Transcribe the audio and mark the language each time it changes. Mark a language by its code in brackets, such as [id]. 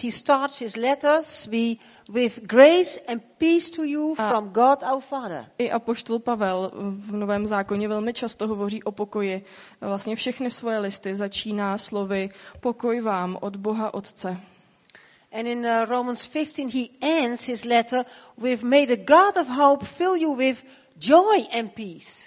[en] He starts his letters with grace and peace to you from God our Father. [cs] I apoštol Pavel v Novém zákoně velmi často hovoří o pokoji. Vlastně všechny svoje listy začíná slovy pokoj vám od Boha Otce. [en] And in Romans 15 he ends his letter with may the God of hope fill you with joy and peace.